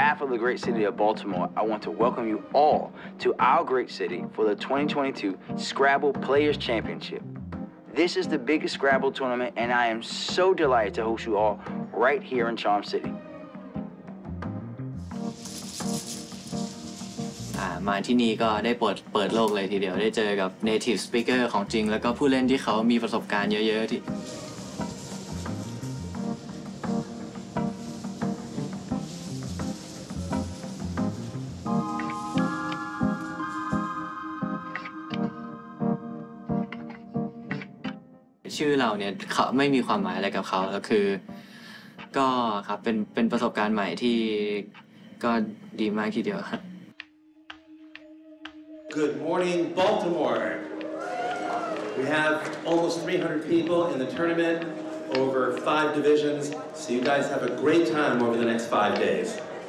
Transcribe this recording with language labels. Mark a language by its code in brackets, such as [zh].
[en] The great city of Baltimore, I want to welcome you all to our great city for the 2022 Scrabble Players Championship. This is the biggest Scrabble tournament, and I am so delighted to host you all right here in Charm City. [th] มาที่นี่ก็ได้เปิดโลกเลยทีเดียวได้เจอกับ [en] native speaker [th] ของจริงแล้วก็ผู้เล่นที่เขามีประสบการณ์เยอะๆที่ชื่อเราเนี่ยเขาไม่มีความหมายอะไรกับเขาก็คือก็ครับเป็นประสบการณ์ใหม่ที่ก็ดีมากทีเดียวครับ [en] Good morning Baltimore We have almost 300 people in the tournament over 5 divisions so you guys have a great time over the next 5 days